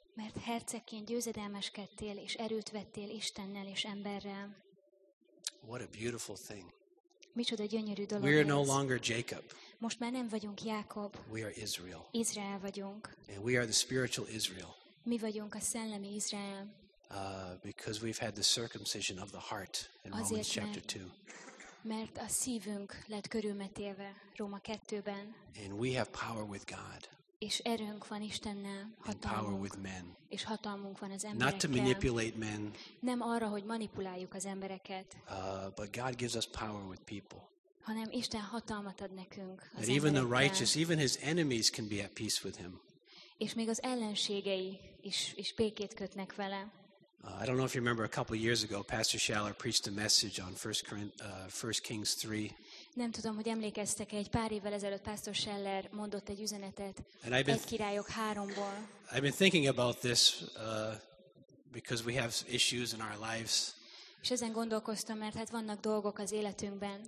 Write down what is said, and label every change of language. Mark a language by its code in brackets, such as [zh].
[hu] Mert hercegként győzedelmeskedtél és erőt vettél Istennel és emberrel. [en] What a beautiful thing! [hu] Micsoda gyönyörű dolog. [en] We are no longer Jacob. [hu] Most már nem vagyunk Jákob. [en] We are Israel. [hu] Izrael vagyunk. [en] And we are the spiritual Israel. [hu] Mi vagyunk a szellemi Izrael. [en] Because we've had the circumcision of the heart in Romans chapter 2. [hu] Mert a szívünk lett körülmetélve Róma 2-ben. [en] And we have power with God. [hu] És erőnk van Istennel, hatalmunk. És hatalmunk van az emberekkel. [en] Not to manipulate men. [hu] Nem arra, hogy manipuláljuk az embereket. [en] But God gives us power with people. [hu] Hanem Isten hatalmat ad nekünk az emberekkel. [en] Even the righteous, even his enemies can be at peace with him. [hu] És még az ellenségei is békét kötnek vele. [en] I don't know if you remember a couple years ago Pastor Schaller preached a message on 1 Kings 3. [hu] Nem tudom, hogy emlékeztek-e, egy pár évvel ezelőtt Pastor Schaller mondott egy üzenetet 1 Királyok 3-ból. [en] I've been thinking about this because we have issues in our lives. [hu] És ezen gondolkoztam, mert hát vannak dolgok az életünkben.